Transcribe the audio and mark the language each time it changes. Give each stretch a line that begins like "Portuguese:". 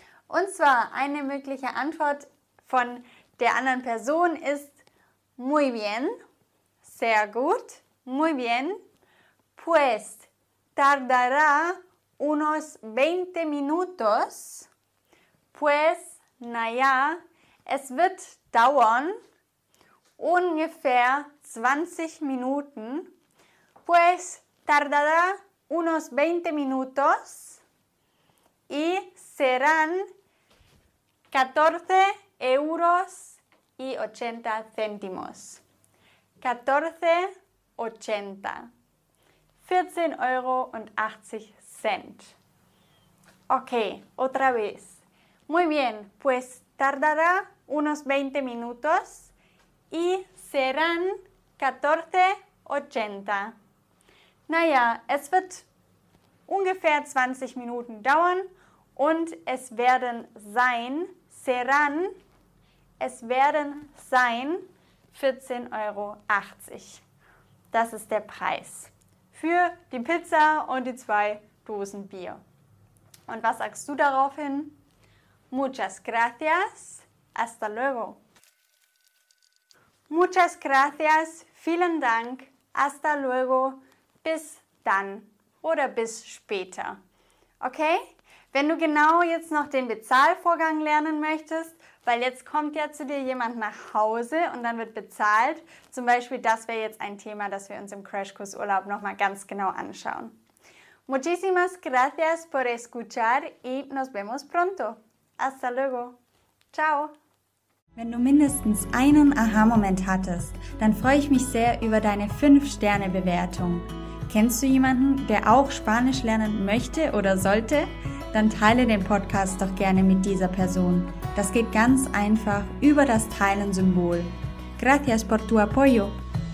German: Und zwar eine mögliche Antwort von der anderen Person ist
Spanish: muy bien,
German: sehr gut,
Spanish: muy bien, pues tardará unos 20 minutos, pues,
German: naja, es wird dauern ungefähr 20 Minuten.
Spanish: Pues tardará unos 20 minutos y serán 14 euros y 80 céntimos.
German: 14,80 €. 14,80 €.
Spanish: Ok, otra vez. Muy bien, pues tardará unos 20 minutos y serán 14,80 €.
German: Naja, es wird ungefähr 20 Minuten dauern und es werden sein,
Spanish: serán,
German: es werden sein 14,80 €. Das ist der Preis für die Pizza und die zwei Dosen Bier. Und was sagst du daraufhin?
Spanish: Muchas gracias. Hasta luego. Muchas gracias.
German: Vielen Dank.
Spanish: Hasta luego.
German: Bis dann oder bis später. Okay? Wenn du genau jetzt noch den Bezahlvorgang lernen möchtest, weil jetzt kommt ja zu dir jemand nach Hause und dann wird bezahlt. Zum Beispiel, das wäre jetzt ein Thema, das wir uns im Crashkurs Urlaub nochmal ganz genau anschauen.
Spanish: Muchísimas gracias por escuchar y nos vemos pronto. Hasta luego. Ciao.
German: Wenn du mindestens einen Aha-Moment hattest, dann freue ich mich sehr über deine 5-Sterne-Bewertung. Kennst du jemanden, der auch Spanisch lernen möchte oder sollte? Dann teile den Podcast doch gerne mit dieser Person. Das geht ganz einfach über das Teilen-Symbol.
Spanish: Gracias por tu apoyo.